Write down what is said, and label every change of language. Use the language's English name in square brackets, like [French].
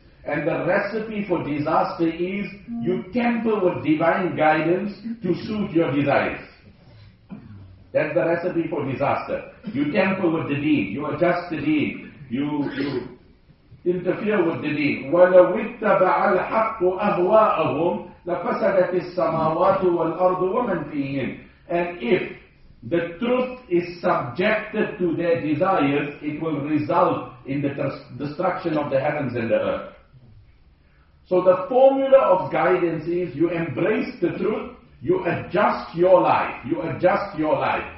[English] And the recipe for disaster is you tamper with divine guidance to suit your desires. That's the recipe for disaster. You tamper with the deen. You adjust the deen. You interfere with the deen. [Arabic] وَلَوِتَّبَعَ الْحَقُّ أَهْوَاءَهُمْ لفسدت السماوات والأرض ومن فيهن. [English] And if the truth is subjected to their desires, it will result in the destruction of the heavens and the earth. So the formula of guidance is you embrace the truth, you adjust your life, you adjust your life.